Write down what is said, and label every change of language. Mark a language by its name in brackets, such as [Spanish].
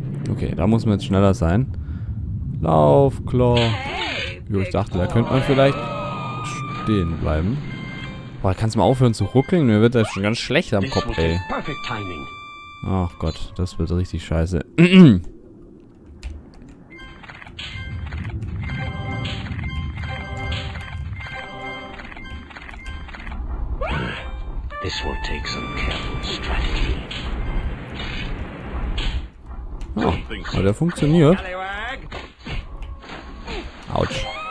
[German] Okay, da muss man jetzt schneller sein. Lauf, Claw. Jo, ich dachte, da könnte man vielleicht stehen bleiben. Boah, kannst du mal aufhören zu ruckeln? Mir wird das schon ganz schlecht am Kopf, ey. Ach Gott, das wird richtig scheiße. [English] This will take some careful strategy. [German] Oh, aber der funktioniert. Autsch.